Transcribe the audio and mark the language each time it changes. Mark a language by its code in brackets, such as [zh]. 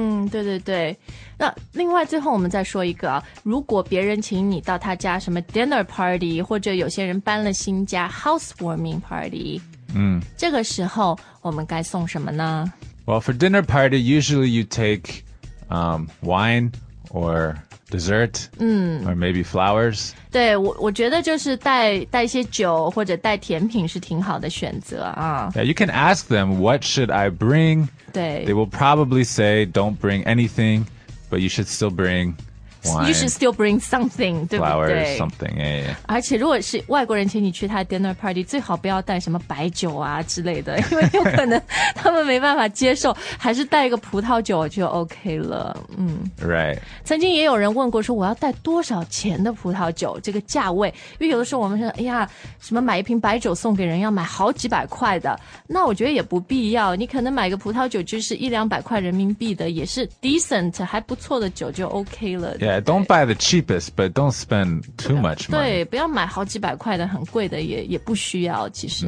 [zh] 对对对。那另外最后我们再说一个如果别人请你到他家什么 dinner party, 或者有些人搬了新家 housewarming party, 这个时候我们该送什么呢 [en] Well, for dinner party, usually you take wine or... dessert, or maybe flowers. [zh] 对 我觉得就是带一些酒或者带甜品是挺好的选择啊。 [en] Yeah, you can ask them, what should I bring? [zh] 对 [en] They will probably say, don't bring anything, but you should still bring wine. You should still bring something, flowers, 对不对?Something, yeah, yeah. [zh] 而且如果是外国人请你去他的 dinner party, 最好不要带什么白酒啊之类的,因为有可能他们没办法接受,还是带一个葡萄酒就 OK 了。嗯。 [en] Right. [zh] 曾经也有人问过说我要带多少钱的葡萄酒,这个价位。因为有的时候我们说,哎呀,什么买一瓶白酒送给人要买好几百块的。那我觉得也不必要,你可能买个葡萄酒就是一两百块人民币的,也是 decent, 还不错的酒就 OK 了。 [en] Yeah, don't buy the cheapest, but don't spend too much money. [zh] 对,不要买好几百块的,很贵的也不需要,其实。